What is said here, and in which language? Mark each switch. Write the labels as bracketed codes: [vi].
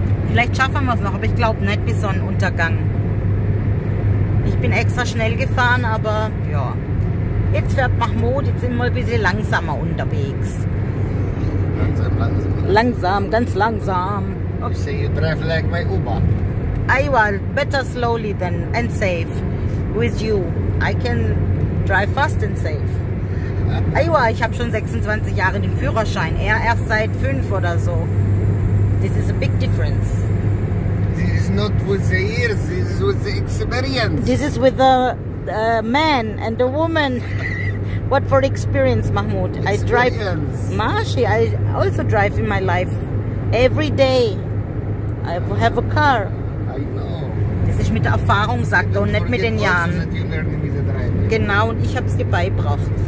[de] Vielleicht schaffen wir es noch, aber ich glaube nicht bis Sonnenuntergang. Ich bin extra schnell gefahren, aber ja. Jetzt fährt Mahmoud, jetzt sind wir ein bisschen langsamer unterwegs. Langsam, langsam. Langsam, ganz langsam. Okay. [en] You say you drive like my Uber. I will better slowly than and safe with you. I can drive fast and safe. I will, [de] ich habe schon 26 Jahre den Führerschein, er erst seit 5 oder so. [en] This is a big difference. This is not with the ears, this is with the experience. This is with the man and the woman. What for experience, Mahmoud? Experience. I drive, Mashi, I also drive in my life. Every day. I have a car. I know. [de] Das ist mit der Erfahrung, sagt er, und nicht mit den Jahren. Genau, und ich habe es dir beigebracht.